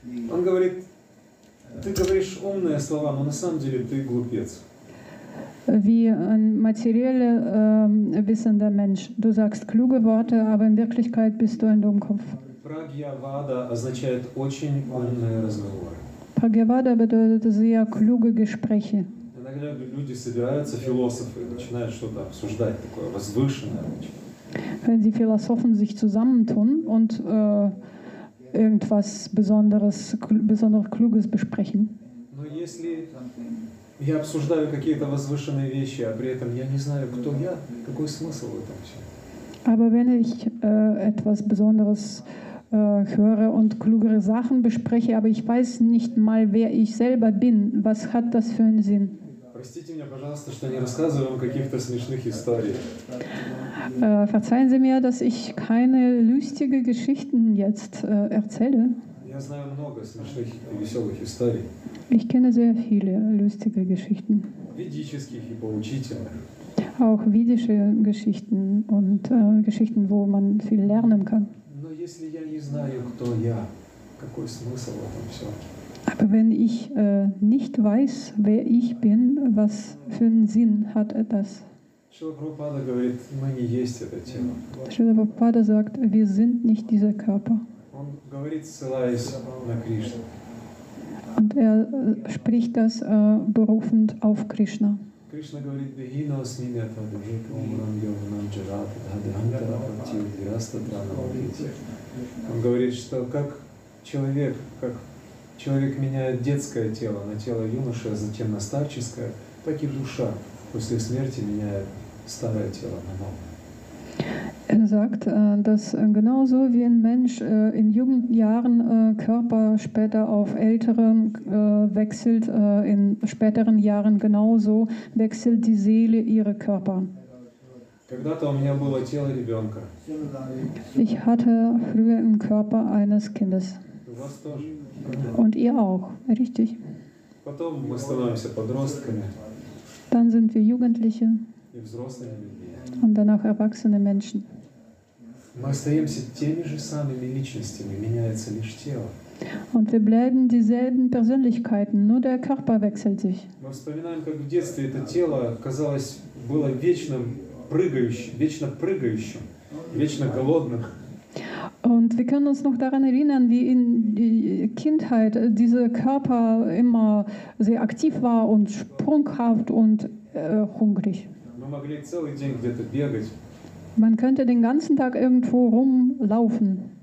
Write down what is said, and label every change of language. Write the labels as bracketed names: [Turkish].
[Russian] Он говорит, ты говоришь умные слова, но на самом деле ты глупец. [German] Wie ein materieller wissender Mensch. Du sagst kluge Worte, aber in Wirklichkeit bist du ein Dummkopf. [Russian] Pragyavada означает очень умные разговоры. [German] Pragyavada bedeutet sehr kluge Gespräche. [Russian] Иногда люди собираются, философы, начинают что-то обсуждать такое возвышенное. [German] Wenn die Philosophen sich zusammentun und irgendwas Besonderes, besonders Kluges besprechen. [Russian] Но если я обсуждаю какие-то возвышенные вещи, а при этом я не знаю, кто я, какой смысл в этом всем? [German] Aber wenn ich etwas Besonderes höre und klugere Sachen bespreche, aber ich weiß nicht mal, wer ich selber bin, was hat das für einen Sinn? [Russian] Простите меня, пожалуйста, что не рассказываю вам каких-то смешных историй. [German] Verzeihen Sie mir, dass ich keine lustige Geschichten jetzt erzähle. [Russian] Я знаю много смешных и веселых историй. [German] Ich kenne sehr viele lustige Geschichten. [Russian] Ведических и поучительных. [German] Auch ведische Geschichten und Geschichten, wo man viel lernen kann. [Russian] Но если я не знаю, кто я, какой смысл в этом всем? [German] Aber wenn ich nicht weiß, wer ich bin, was für einen Sinn hat das? [Russian] Srila Prabhupada говорит, мы не есть это тело. [German] Srila Prabhupada sagt, wir sind nicht dieser Körper. [Russian] Он говорит, ссылаясь на Кришну. [German] Und er spricht das berufend auf Krishna. [Russian] Krishna говорит, [Sanskrit] беги на осминята, беги к умрам, йоганам, джарат, дхадхантара, пати, дхираста, дранам, дхити. [Russian] Он говорит, что как человек меняет детское тело на тело юноши, а затем на старческое, так и душа после смерти меняет старое тело на новое. [German] Er sagt, dass genauso wie ein Mensch in Jugendjahren Körper später auf ältere wechselt, in späteren Jahren genauso wechselt die Seele ihre Körper. [Russian] Когда-то у меня было тело ребенка. [German] Ich hatte früher einen Körper eines Kindes. [Russian] У вас тоже. [German] Und ihr auch, richtig. [Russian] Потом мы становимся подростками. [German] Dann sind wir Jugendliche. [Russian] И взрослыми людьми. [German] Und danach erwachsene Menschen. [Russian] Мы остаемся теми же самыми личностями, меняется лишь тело. [German] Und wir bleiben dieselben Persönlichkeiten, nur der Körper wechselt sich. [Russian] Мы вспоминаем, как в детстве это тело, казалось, было вечно прыгающим, вечно голодным. [German] Und wir können uns noch daran erinnern, wie in der Kindheit dieser Körper immer sehr aktiv war und sprunghaft und hungrig. [Russian] Мы могли целый день где-то бегать. [German] Man könnte den ganzen Tag irgendwo rumlaufen.